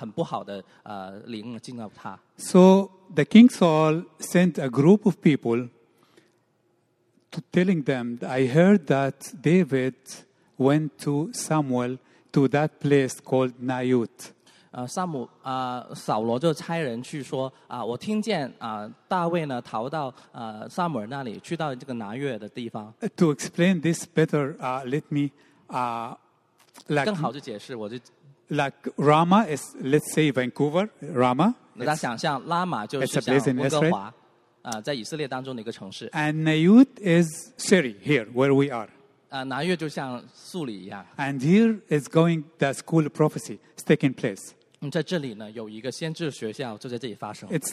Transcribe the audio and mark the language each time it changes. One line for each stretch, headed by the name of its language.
Chinese: 圣经说神的灵离开他了，然后有很坏、很不好的灵进到他。
English: So the King Saul sent a group of people. To telling them, I heard that David went to Samuel to that place called Naiut.
Chinese: 扫罗就差人去说，我听见大卫呢逃到撒母耳那里，去到这个拿约的地方。
English: To explain this better, let me, like
Chinese: 更好的解释，我就like
English: Rama is, let's say Vancouver, Rama.
Chinese: 大家想象拉玛就是像温哥华。在以色列当中的一个城市。And
English: Naiut is Syria, here, where we are.
Chinese: 南越就像苏里一样。And
English: here is going the school prophecy taking place.
Chinese: 在这里呢，有一个先知学校就在这里发生。It's